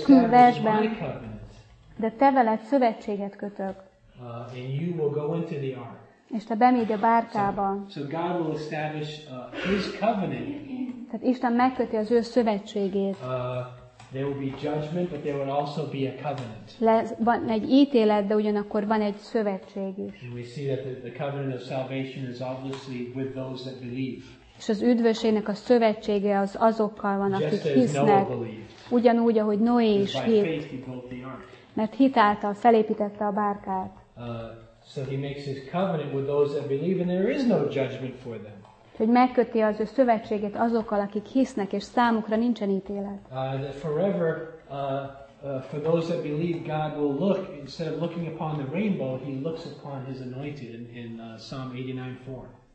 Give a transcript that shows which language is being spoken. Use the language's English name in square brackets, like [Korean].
[Hungarian] versben, de te veled szövetséget kötök. [English] And you will go into the ark. [Hungarian] És te bemégy a bárkába. [English] So God will establish his covenant. [Hungarian] Tehát Isten megköti az ő szövetségét. [English] There will be judgment, but there will also be a covenant. [Hungarian] Van egy ítélet, de ugyanakkor van egy szövetség is. [English] And we see that the covenant of salvation is obviously with those that believe. [Hungarian] És az üdvösségnek a szövetsége az azokkal van, akik hisznek. Ugyanúgy, ahogy Noé is hitt. Mert hit által felépítette a bárkát. [English] So he makes his covenant with those that believe, and there is no judgment for them. [Hungarian] Hogy megköti az ő szövetségét azokkal, akik hisznek, és számukra nincsen ítélet. [English] That forever, for those that believe, God will look, instead of looking upon the rainbow, he looks upon his anointed in Psalm 89:4.